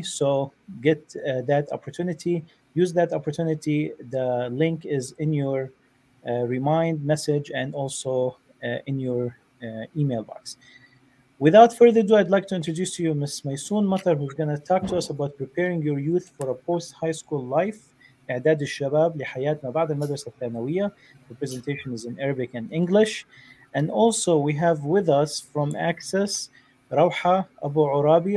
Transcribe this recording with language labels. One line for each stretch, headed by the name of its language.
English: So get that opportunity. Use that opportunity. The link is in your remind message and also in your email box. Without further ado, I'd like to introduce to you Ms. Maysoon Matar, who's going to talk to us about preparing your youth for a post-high school life.
Arabic: إعداد الشباب لحياة ما بعد المدرسة الثانوية.
English: The presentation is in Arabic and English. And also we have with us from ACCESS, Rauha Abu Urabi.